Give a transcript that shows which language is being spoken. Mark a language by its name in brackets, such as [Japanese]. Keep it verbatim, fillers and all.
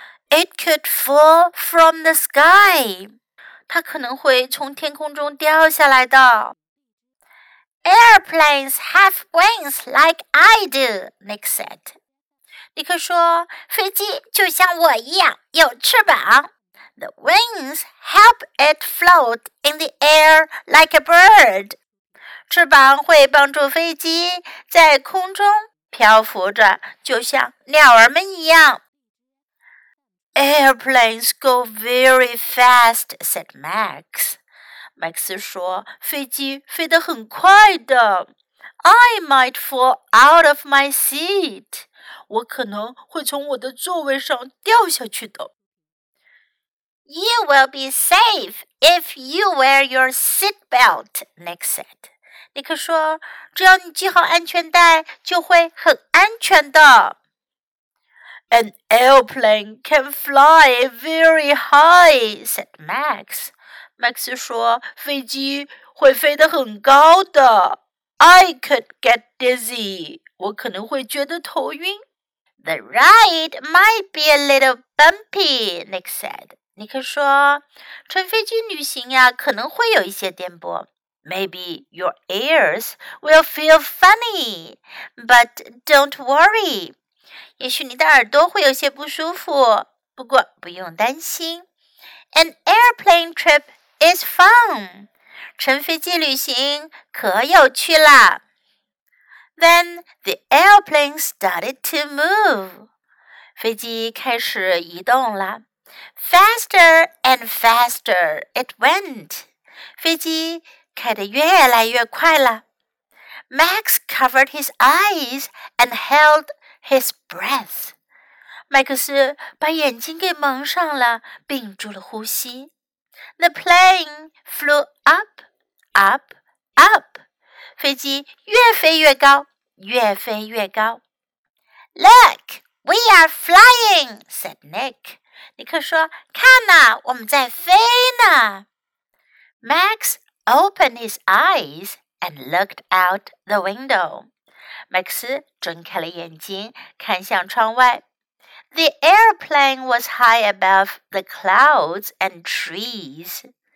[English] It could fall from the sky. [Chinese] 它可能会从天空中掉下来的。 [English] Airplanes have wings like I do, Nick said. [Chinese] 尼克说，飞机就像我一样有翅膀。 [English] The wings help it float in the air like a bird. [Chinese] 翅膀会帮助飞机在空中漂浮着，就像鸟儿们一样。 [English] Airplanes go very fast, said Max. [Chinese] 麦克斯说，飞机飞得很快的。 [English] I might fall out of my seat. [Chinese] 我可能会从我的座位上掉下去的。 [English] You will be safe if you wear your seat belt, Nick said. [Chinese] 尼克说，只要你系好安全带，就会很安全的。 [English] An airplane can fly very high, said Max. [Chinese] Max 说，飞机会飞得很高的。 [English] I could get dizzy. [Chinese] 我可能会觉得头晕。 [English] The ride might be a little bumpy, Nick said. [Chinese] 尼克说，乘飞机旅行呀，可能会有一些颠簸。 [English] Maybe your ears will feel funny, but don't worry. [Chinese] 也许你的耳朵会有些不舒服，不过不用担心。 [English] An airplane trip. It's fun. [Chinese] 乘飞机旅行可有趣啦。 [English] Then the airplane started to move. [Chinese] 飞机开始移动啦。 [English] Faster and faster it went. [Chinese] 飞机开得越来越快啦。 [English] Max covered his eyes and held his breath. [Chinese] 麦克斯把眼睛给蒙上了，屏住了呼吸。 [English] The plane flew up, up, up. [Chinese] 飞机越飞越高，越飞越高。 [English] Look, we are flying, said Nick. [Chinese] 尼克说，看呐，我们在飞呢。 [English] Max opened his eyes and looked out the window. [Chinese] Max 睁开了眼睛，看向窗外。 [English] The airplane was high above the clouds and trees.